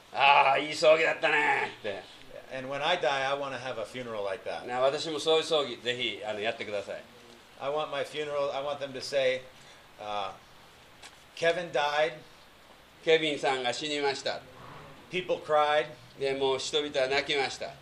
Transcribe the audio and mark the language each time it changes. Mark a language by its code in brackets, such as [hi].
[ja] ああ、いい葬儀だったねって。 [en] And when I die, I want to have a funeral like that. [ja] なあ、私もそういう葬儀、ぜひあのやってください。 [en] I want my funeral, I want them to say, Kevin died. [ja] ケビンさんが死にました。 [en] People cried. [ja] でも人々は泣きました。